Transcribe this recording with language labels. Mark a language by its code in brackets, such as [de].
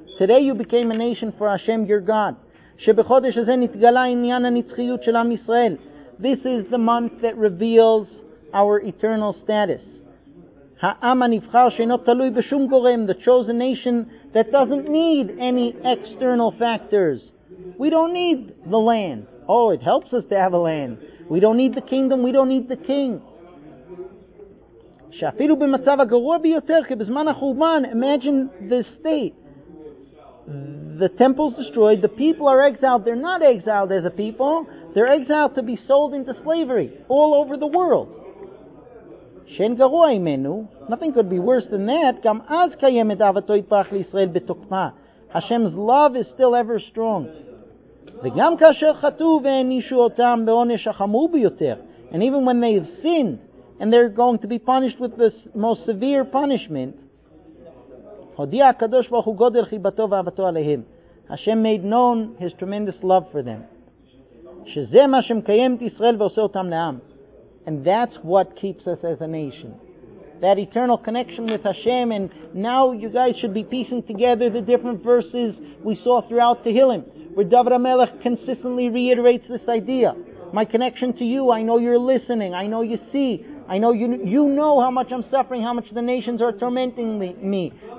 [en] Today you became a nation for Hashem, your God. [he] שבחודש הזה נתגלה עניין הנצחיות של עם ישראל. [en] This is the month that reveals our eternal status. [he] העם הנבחר שאינו תלוי בשום גורם, [en] the chosen nation that doesn't need any external factors. We don't need the land. Oh, it helps us to have a land. We don't need the kingdom, we don't need the king. [he] שאפילו במצב הגרוע ביותר, כבזמן החורבן, [en] imagine this state. The temple's destroyed, the people are exiled. They're not exiled as a people. They're exiled to be sold into slavery all over the world. [he] Shen garua imenu. [en] Nothing could be worse than that. [he] Gam az kayemet avato yitbarach l'Yisrael betokma. [en] Hashem's love is still ever strong. [he] V'gam kasher chatu ve'enishu otam be'onesh hachamur biyoter. [en] And even when they have sinned, and they're going to be punished with the most severe punishment, [he] הודיע הקדוש ברוך הוא גודל חיבתו ואהבתו עליהם. [en] Hashem made known his tremendous love for them. [he] שזה מה שמקיים את ישראל ועושה אותם לעם. [en] And that's what keeps us as a nation. That eternal connection with Hashem, and now you guys should be piecing together the different verses we saw throughout Tehillim, where David HaMelech consistently reiterates this idea. My connection to you, I know you're listening, I know you see, I know you know how much I'm suffering, how much the nations are tormenting me.